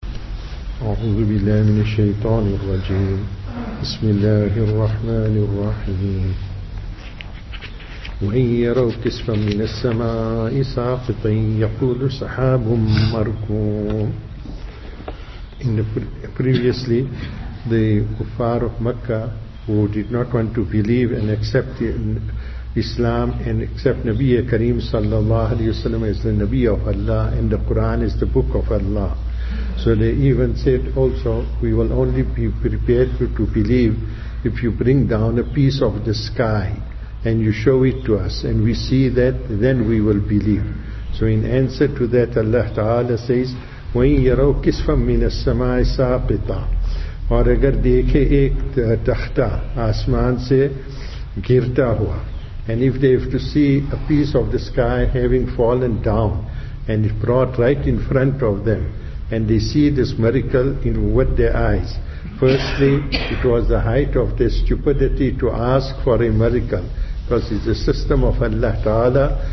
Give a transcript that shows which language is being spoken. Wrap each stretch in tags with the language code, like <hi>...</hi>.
<ar>أعوذ بالله من الشيطان الرجيم. بسم الله الرحمن الرحيم. وإن يروا كسفا من السماء ساقطا يقول سحاب مركوم.</ar> <en>In the previously, the Kuffar of Mecca, who did not want to believe and accept Islam and accept Nabi Kareem sallallahu alayhi wa sallam as the Nabi of Allah and the Quran is the book of Allah. So they even said also, we will only be prepared to believe if you bring down a piece of the sky and you show it to us and we see that, then we will believe. So in answer to that, Allah Ta'ala says,</en> <ar>وَإِنْ يَرَوْ كِسْفًا مِنَ السَّمَاءِ سَاقِطًا.</ar> <ur>اور اگر دیکھے ایک تختہ آسمان سے گرتا ہوا.</ur> <en>And if they have to see a piece of the sky having fallen down and it brought right in front of them, and they see this miracle in with their eyes. Firstly, it was the height of their stupidity to ask for a miracle, because it's a system of Allah Ta'ala.</en>